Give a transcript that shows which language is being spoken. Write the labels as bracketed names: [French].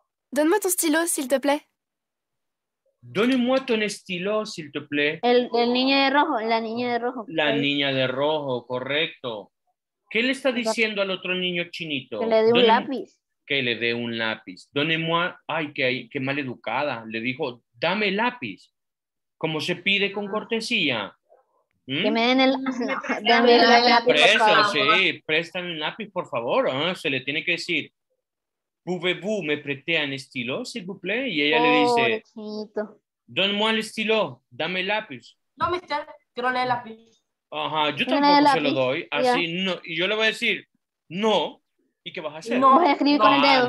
[French] Donne-moi ton stylo, s'il te plaît. Donne-moi ton stylo, s'il te plaît. [Spanish] El niño de rojo, la niña de rojo. La niña de rojo, correcto. ¿Qué le está diciendo al otro niño chinito? Que le dé un lápiz. Que le dé un lápiz. [French] Donne-moi, [Spanish] ay, qué mal educada. Le dijo, dame lápiz. ¿Cómo se pide con cortesía? Que me den el lápiz. Presta, sí, préstame un lápiz, por favor. Se le tiene que decir, [French] pouvez-vous me prêter un stylo, s'il vous plaît? [Spanish] Y ella le dice, [French] donne-moi [Spanish] el stylo, dame el lápiz. No, mister, quiero leer el lápiz. Ajá, yo tampoco se lo doy. Así, no, y yo le voy a decir, no. ¿Y qué vas a hacer? No, voy a escribir con el dedo.